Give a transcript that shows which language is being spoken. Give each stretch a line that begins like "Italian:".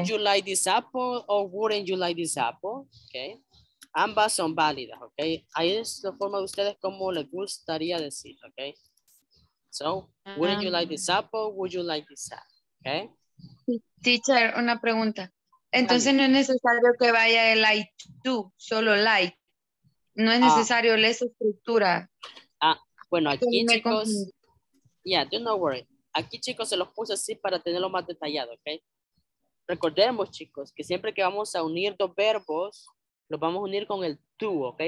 English: Would you like this apple or wouldn't you like this apple?
Spanish: Okay. Ambas son válidas, okay. Ahí es la forma de ustedes como les gustaría decir, okay.
English: So, wouldn't you like this apple, would you like this apple, okay.
Spanish: Teacher, una pregunta. Entonces no es necesario que vaya el like to, solo like. No es necesario la estructura. Bueno, aquí, chicos... Yeah, do not worry. Aquí, chicos, se los puse así para tenerlo más detallado, ¿ok? Recordemos, chicos, que siempre que vamos a unir dos verbos, los vamos a unir con el to, ¿ok?